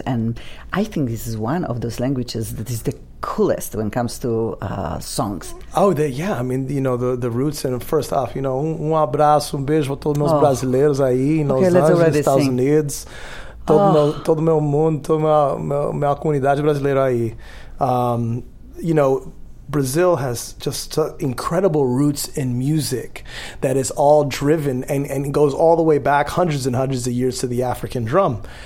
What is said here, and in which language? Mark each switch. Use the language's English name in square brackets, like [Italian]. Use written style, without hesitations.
[English] And I think this is one of those languages that is the coolest when it comes to songs. Oh, the, yeah. I mean, you know, the roots. And first off, you know, [Portuguese] um abraço, um beijo a todos meus brasileiros aí, nos Estados Unidos. Todo meu mundo, toda minha comunidade brasileira aí. [English] You know, Brazil has just incredible roots in music that is all driven and goes all the way back hundreds and hundreds of years to the African drum.